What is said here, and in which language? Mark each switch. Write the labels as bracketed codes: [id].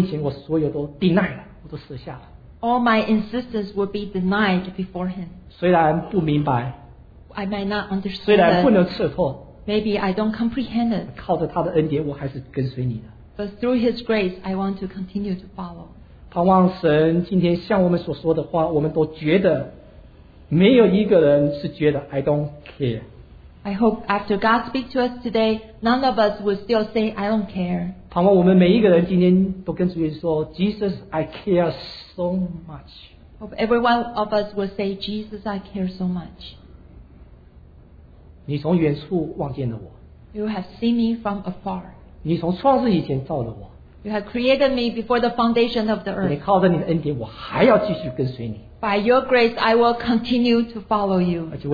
[zh] 我所有自己的坚持就在他的面前我所有都deny了,我都舍下了。 [en] All my insistence will be denied before Him. [zh] 虽然不明白, [en] I might not understand. [zh] 虽然不能彻透, [en] maybe I don't comprehend it. [zh] 靠着他的恩典我还是跟随你的。 [en] But through His grace, I want to continue to follow. [zh] 盼望神今天向我们所说的话, 我们都觉得 没有一个人是觉得 [en] I don't care. I hope after God speaks to us today, none of us will still say I don't care. [zh] 盼望我们每一个人今天都跟主耶稣说 [en] Jesus, I care so much. Hope everyone of us will say Jesus, I care so much. [zh] 你从远处望见了我。 [en] You have seen me from afar. [zh] 你从创世以前造了我。 [en] You have created me before the foundation of the earth. [zh] 你靠着你的恩典, 我还要继续跟随你。 [en] By your grace, I will continue to follow you.